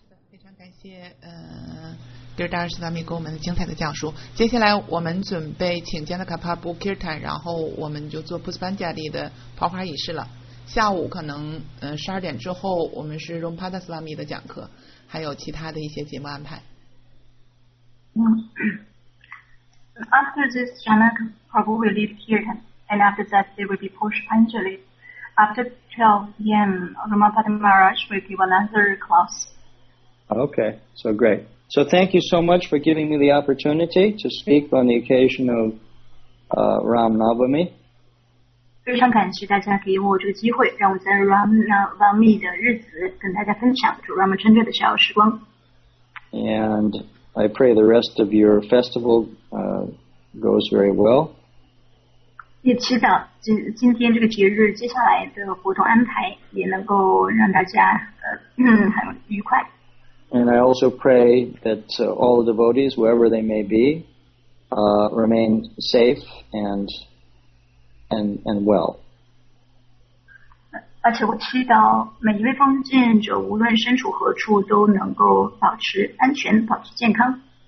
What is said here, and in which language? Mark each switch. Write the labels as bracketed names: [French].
[Chinese] 非常感谢Dirdar Sadami 给我们的精彩的讲述。接下来我们准备请 Janakapa Bukirtan， 然后我们就做 Puspanjali 的跑花仪式了。下午可能12点之后我们是 Rumpada Sadami 的讲课，还有其他的一些节目安排。 [English] After this, Janakapa will leave Kirtan, and after that, there will be Puspanjali. After 12 p.m, Rumpada Maharaj will give another class. Okay, so great. So thank you so much for giving me the opportunity to speak on the occasion of Ram Navami. [Chinese] 非常感谢大家给我这个机会，让我在 Ram Navami 的日子跟大家分享主 Ram Chandra 的小时光。 [English] And I pray the rest of your festival goes very well. [Chinese] 也祈祷今天这个节日接下来的活动安排也能够让大家很愉快。 [English] And I also pray that all the devotees, wherever they may be, remain safe and well. [Chinese] 而且我祈祷每一位奉献者无论身处何处都能够保持安全，保持健康。